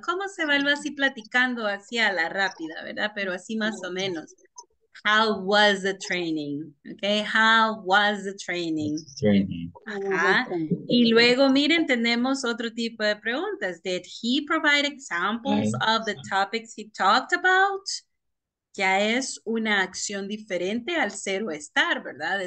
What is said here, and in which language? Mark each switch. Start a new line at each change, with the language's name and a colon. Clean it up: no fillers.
Spanish: ¿Cómo se evalúa así platicando así a la rápida, ¿verdad? Pero así más o menos.
English: How was the training? Okay, how was the training? Training.
Spanish: Ajá. Y luego, miren, tenemos otro tipo de preguntas.
English: Did he provide examples of the topics he talked about?
Spanish: Ya es una acción diferente al ser o estar, ¿verdad?